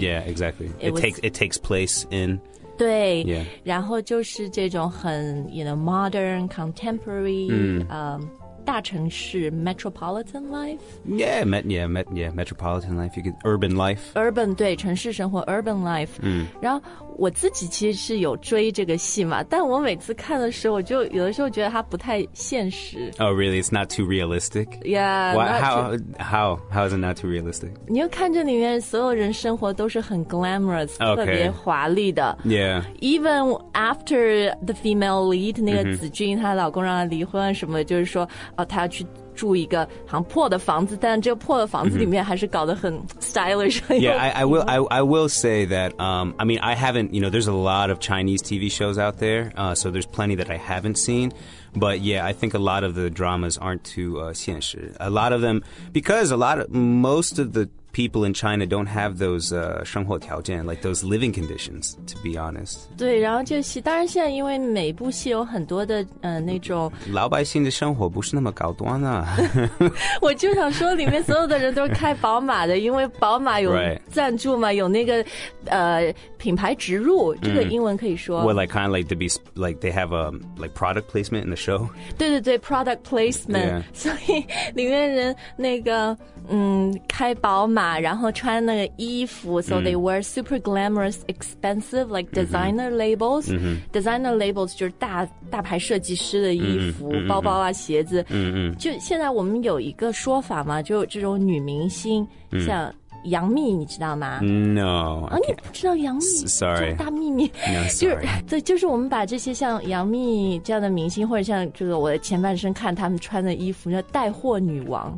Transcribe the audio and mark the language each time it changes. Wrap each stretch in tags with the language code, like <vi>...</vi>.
<en>Yeah, exactly. It takes place in...</en> <zh>对、</zh> <en>yeah.</en> <zh>然后就是这种很</zh> <en>you know, modern, contemporary...</en> <zh>大城市 metropolitan life?</zh> <en>Metropolitan life, you could, urban life.</en> <zh>Urban, 对城市生活 urban life. 然后我自己其实是有追这个戏嘛，但我每次看的时候我就有的时候觉得它不太现实。</zh> <en>Oh, really? It's not too realistic? Yeah. How is it not too realistic?</en> <zh>你就看着里面所有人生活都是很 glamorous,、</zh> <en>okay.</en> <zh>特别华丽的。</zh> <en>Yeah. Even after the female lead,</en> <zh>那个子俊、她老公让她离婚什么就是说哦、他要去住一个好像破的房子，但这个破的房子里面还是搞得很 stylish、mm-hmm. 很</zh> <en>yeah, I will say that、I mean, I haven't, you know, there's a lot of Chinese TV shows out there、so there's plenty that I haven't seen. But yeah, I think a lot of the dramas aren't too</en> <zh>现实</zh> <en>A lot of them, because a lot of, most of the people in China don't have those</en> <zh>生活条件</zh> <en>like those living conditions, to be honest.</en> <zh>对然后就是当然现在因为每部戏有很多的那种老百姓的生活不是那么高端啊。我就想说里面所有的人都是开宝马的因为宝马有赞助嘛、</zh> <en>right.</en> <zh>有那个品牌植入这个英文可以说。</zh> <en>Well, like, kind of like to be, like, they have a, like, product placement in the show.</en> <zh>对对对 product placement.、</zh> <en>Yeah.</en> <zh>所以里面人那个开宝马然后穿那个衣服</zh> <en>so they wear super glamorous expensive like designer labels、 mm-hmm.</en> <zh>designer labels 就是大牌设计师的衣服、</zh> <en>mm-hmm.</en> <zh>包包啊鞋子、</zh> <en>mm-hmm.</en> <zh>就现在我们有一个说法嘛就这种女明星、mm-hmm. 像杨幂你知道吗</zh> <en>No、</en> <zh>啊、你不知道杨幂</zh> <en>Sorry</en> <zh>大秘密</zh> <en>No sorry</en> <zh>就是我们把这些像杨幂这样的明星或者像这个我的前半生看他们穿的衣服叫带货女王</zh>